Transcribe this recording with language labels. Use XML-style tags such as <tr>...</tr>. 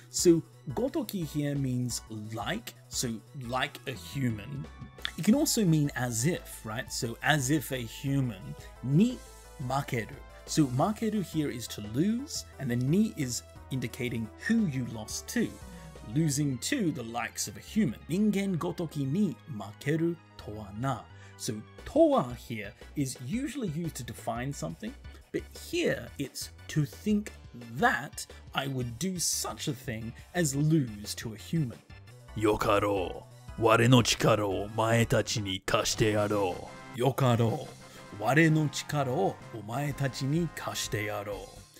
<en>So, ごとき here means like. So, like a human. It can also mean as if, right? So, as if a human.</en> <ja>に負ける.</ja> <en>So, 負ける here is to lose, and the ni is indicating who you lost to. Losing to the likes of a human.</en> <ja>人間ごときに負けるとはな.</ja> <en>So, とは here is usually used to define something, but here it's to think that I would do such a thing as lose to a human.</en> <ja>よかろう。我の力を前たちに貸してやろう。よかろう。我の力をお前たちに貸してやろう。</ja>